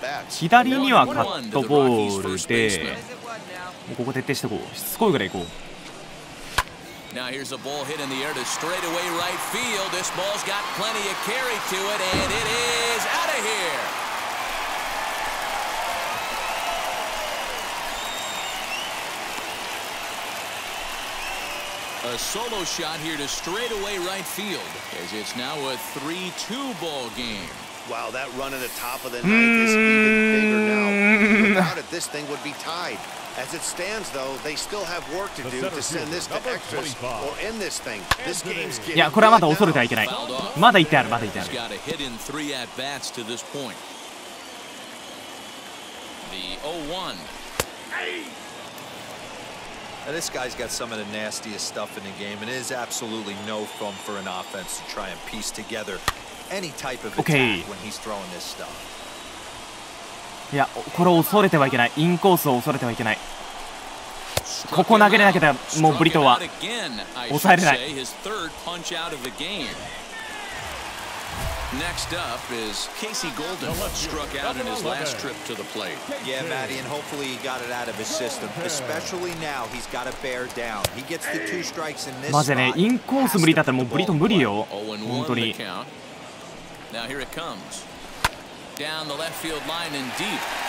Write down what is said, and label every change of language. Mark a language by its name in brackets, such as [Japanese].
[Japanese] 左にはカットボールで、もうここ徹底しておこう。しつこいぐらい行こう。 [English] Now here's a ball hit in the air to straightaway right field. This ball's got plenty of carry to it, and it is out of here. A solo shot here to straightaway right field as it's now a 3-2 ball game. Wow, that run at the top of the ninth is even bigger now. Without it, this thing would be tied. As it stands, though, they still have work to do to send this to extras or end this thing. This game's getting. [Japanese] いや、これはまだ恐れてはいけない。まだ行ってある、まだ行ってある。 [English] He's got a hit in three at bats to this point. The 0-1. Hey! Now this guy's got some of the nastiest stuff in the game, and it is absolutely no fun for an offense to try and piece together any type of attack when he's throwing this stuff. [Japanese] いや、これを恐れてはいけない。インコースを恐れてはいけない。ここ投げれなきゃ、もうブリトは抑えれない。 [English] His third punch out of the game. Next up is Casey Golden, struck out in his last trip to the plate. Yeah, Maddie, and hopefully he got it out of his system. Especially now, he's got to bear down. He gets the two strikes in this spot. [Japanese] マジでね、インコース無理だったらもうブリト無理よ。本当に。 [English] Now here it comes. Down the left field line and deep.